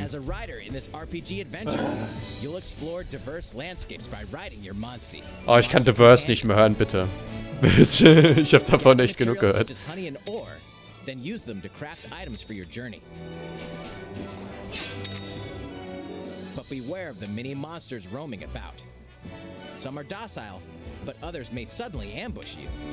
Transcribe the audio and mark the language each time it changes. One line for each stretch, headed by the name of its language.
English: As a rider in this RPG adventure, you'll explore diverse landscapes by riding your monster.
German: Oh, ich kann diverse nicht mehr hören, bitte. Ich habe davon echt genug gehört.
English: Honey and ore, then use them to craft items for your journey. But beware of the many monsters roaming about. Some are docile, but others may suddenly ambush you.